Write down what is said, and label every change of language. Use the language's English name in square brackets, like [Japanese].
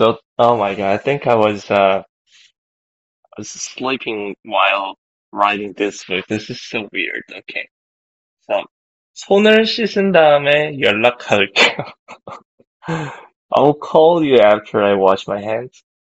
[English] Oh my God, I think I was sleeping while writing this book. This is so weird. Okay. [Korean] So, 손을 씻은 다음에 연락할게요. [English] I'll call you after I wash my hands.